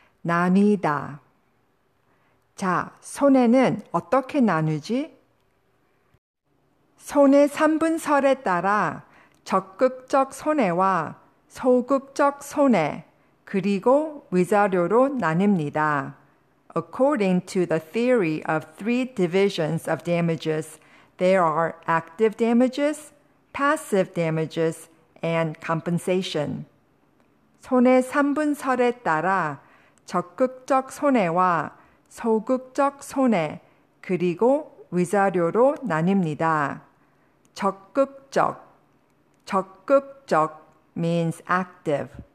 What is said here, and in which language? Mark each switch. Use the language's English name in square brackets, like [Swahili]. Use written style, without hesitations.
[Korean] 나뉘다. 자, 손해는 어떻게 나누지? 손해 3분설에 따라 적극적 손해와 소극적 손해, 그리고 위자료로 나뉩니다. [English] According to the theory of three divisions of damages, there are active damages, passive damages, and compensation. [Korean] 손해 3분설에 따라 적극적 손해와 소극적 손해, 그리고 위자료로 나뉩니다. 적극적. 적극적 [English] means active.